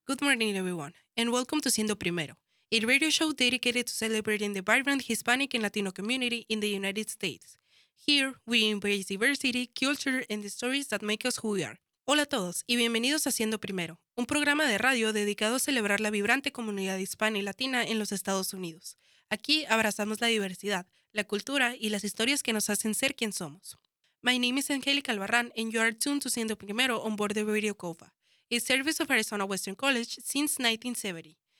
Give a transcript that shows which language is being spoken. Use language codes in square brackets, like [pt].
[en] Good morning, everyone, and welcome to Siendo Primero, a radio show dedicated to celebrating the vibrant Hispanic and Latino community in the United States. Here, we embrace diversity, culture, and the stories that make us who we are. [es] Hola a todos y bienvenidos a Siendo Primero, un programa de radio dedicado a celebrar la vibrante comunidad hispana y latina en los Estados Unidos. Aquí abrazamos la diversidad, la cultura y las historias que nos hacen ser quien somos. [en] My name is Angelica Albarrán, and you are tuned to Siendo Primero on board the Radio COFA, a service of Arizona Western College since 1970.